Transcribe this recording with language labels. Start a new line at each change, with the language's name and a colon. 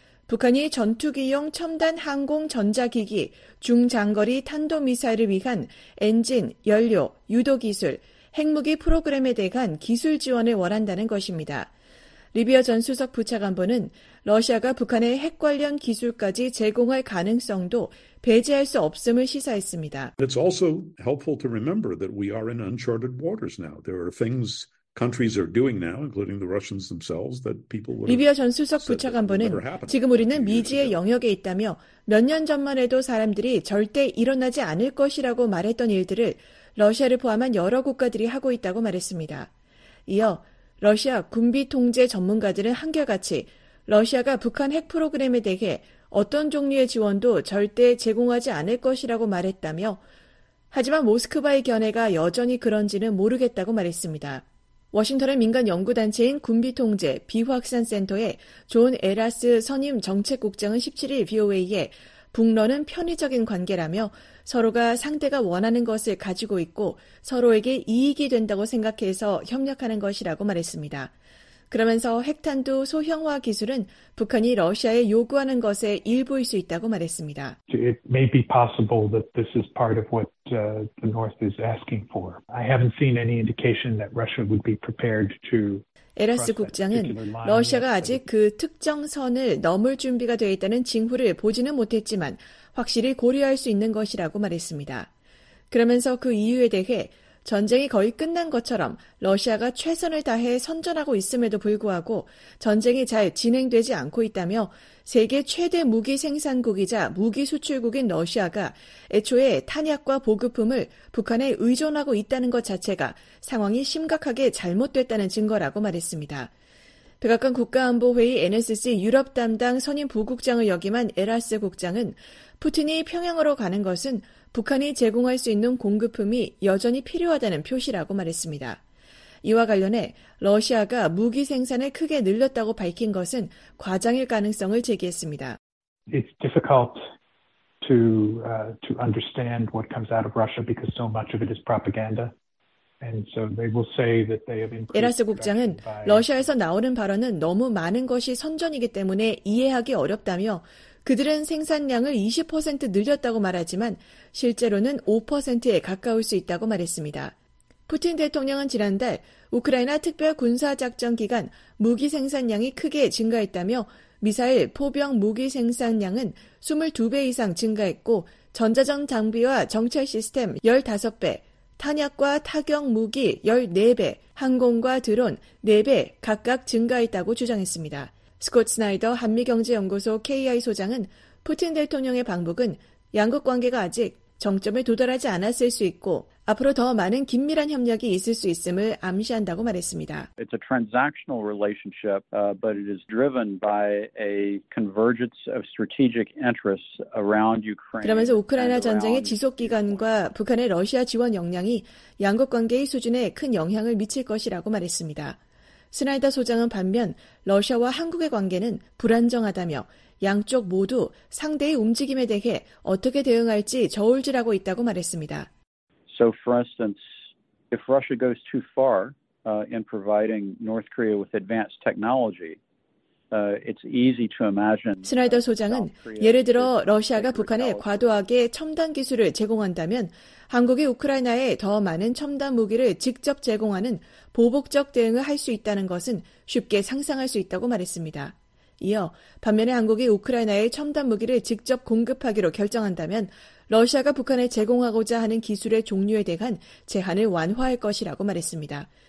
Korean: 북한이 전투기용 첨단 항공전자기기, 중장거리 탄도미사일을 위한 엔진, 연료, 유도기술, 핵무기 프로그램에 대한 기술 지원을 원한다는 것입니다. 리비어 전 수석 부차관보는 러시아가 북한의 핵 관련 기술까지 제공할 가능성도 배제할 수 없음을 시사했습니다.
English: It's also helpful to remember that we are in uncharted waters now. There are things countries are doing now, including the Russians themselves, that people would.
Korean: 리비어 전 수석 부차관보는 지금 우리는 미지의 영역에 있다며 몇 년 전만 해도 사람들이 절대 일어나지 않을 것이라고 말했던 일들을 러시아를 포함한 여러 국가들이 하고 있다고 말했습니다. 이어 러시아 군비 통제 전문가들은 한결같이 러시아가 북한 핵 프로그램에 대해 어떤 종류의 지원도 절대 제공하지 않을 것이라고 말했다며 하지만 모스크바의 견해가 여전히 그런지는 모르겠다고 말했습니다. 워싱턴의 민간 연구단체인 군비통제 비확산센터의 존 에라스 선임 정책국장은 17일 VOA에 북러는 편의적인 관계라며 서로가 상대가 원하는 것을 가지고 있고 서로에게 이익이 된다고 생각해서 협력하는 것이라고 말했습니다. 그러면서 핵탄두 소형화 기술은 북한이 러시아에 요구하는 것의 일부일 수 있다고 말했습니다.
English: It may be possible that this is part of what the North is asking for. I haven't seen any indication that Russia would be prepared to.
Korean: 에라스 국장은 러시아가 아직 그 특정 선을 넘을 준비가 되어 있다는 징후를 보지는 못했지만 확실히 고려할 수 있는 것이라고 말했습니다. 그러면서 그 이유에 대해 전쟁이 거의 끝난 것처럼 러시아가 최선을 다해 선전하고 있음에도 불구하고 전쟁이 잘 진행되지 않고 있다며 세계 최대 무기 생산국이자 무기 수출국인 러시아가 애초에 탄약과 보급품을 북한에 의존하고 있다는 것 자체가 상황이 심각하게 잘못됐다는 증거라고 말했습니다. 백악관 국가안보회의 NSC 유럽 담당 선임 부국장을 역임한 에라스 국장은 푸틴이 평양으로 가는 것은 북한이 제공할 수 있는 공급품이 여전히 필요하다는 표시라고 말했습니다. 이와 관련해 러시아가 무기 생산을 크게 늘렸다고 밝힌 것은 과장일 가능성을 제기했습니다.
English: It's difficult to understand what comes out of Russia because so much of it is propaganda.
Korean: 에라스 국장은 러시아에서 나오는 발언은 너무 많은 것이 선전이기 때문에 이해하기 어렵다며 그들은 생산량을 20% 늘렸다고 말하지만 실제로는 5%에 가까울 수 있다고 말했습니다. 푸틴 대통령은 지난달 우크라이나 특별군사작전 기간 무기 생산량이 크게 증가했다며 미사일 포병 무기 생산량은 22배 이상 증가했고 전자전 장비와 정찰 시스템 15배, 탄약과 타격 무기 14배, 항공과 드론 4배 각각 증가했다고 주장했습니다. 스콧 스나이더 한미경제연구소 KI 소장은 푸틴 대통령의 방북은 양국 관계가 아직 정점에 도달하지 않았을 수 있고 앞으로 더 많은 긴밀한 협력이 있을 수 있음을 암시한다고 말했습니다.
English: It's a transactional relationship, but it is driven by a convergence of strategic interests around Ukraine.
Korean: 그러면서 우크라이나 전쟁의 지속 기간과 북한의 러시아 지원 역량이 양국 관계의 수준에 큰 영향을 미칠 것이라고 말했습니다. 스나이더 소장은 반면 러시아와 한국의 관계는 불안정하다며 양쪽 모두 상대의 움직임에 대해 어떻게 대응할지 저울질하고 있다고 말했습니다.
English: So for instance, if Russia goes too far in providing North Korea with advanced technology, it's easy to imagine.
Korean: 스나이더 소장은 예를 들어 러시아가 북한에 과도하게 첨단 기술을 제공한다면 한국이 우크라이나에 더 많은 첨단 무기를 직접 제공하는 보복적 대응을 할 수 있다는 것은 쉽게 상상할 수 있다고 말했습니다. 이어 반면에 한국이 우크라이나에 첨단 무기를 직접 공급하기로 결정한다면 러시아가 북한에 제공하고자 하는 기술의 종류에 대한 제한을 완화할 것이라고 말했습니다.